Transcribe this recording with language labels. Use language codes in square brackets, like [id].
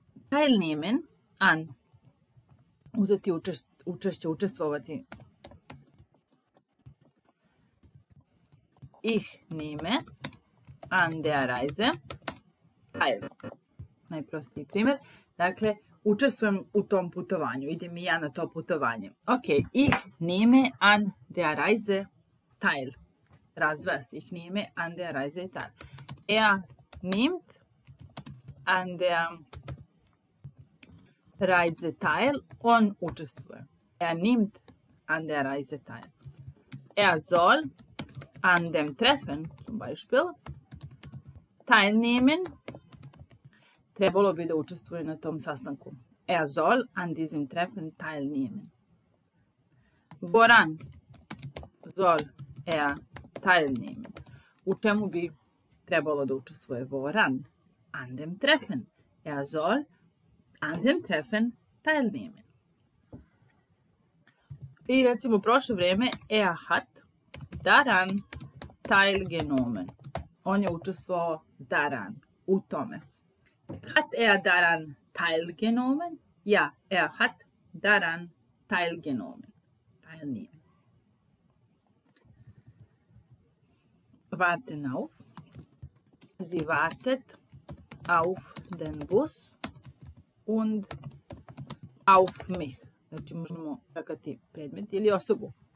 [de] Teilnehmen an. [sr] Uzeti učešće, učestvovati. [de] Ich nehme an der Reise teil. [sr] Najprostiji primjer. Dakle, učestvujem u tom putovanju. Idem i ja na to putovanje. [de] Ok, ich nehme an der Reise teil. Razvoja se. Ich nehme an der Reise teil. Er nimmt an der Reise teil. [sr] On učestvuje. [de] Er nimmt an der Reise teil. Er soll an dem Treffen, zum Beispiel, teilnehmen. [sr] Trebalo bi da učestvuje na tom sastanku. [de] Er soll an diesem Treffen teilnehmen. Woran soll er teilnehmen? [sr] U čemu bi trebalo da učestvuje? [de] Woran? An dem Treffen. Er soll an dem Treffen teilnehmen. [sr] I recimo, prošle vreme, [de] er hat daran teilgenommen. [sr] On je učestvovao daran, u tome. [de] Hat er daran teilgenommen? Ja, er hat daran teilgenommen. Teilnehmen. Warten auf. Sie wartet auf den Bus und auf mich. [sr] Znači možemo čekati predmet ili osobu.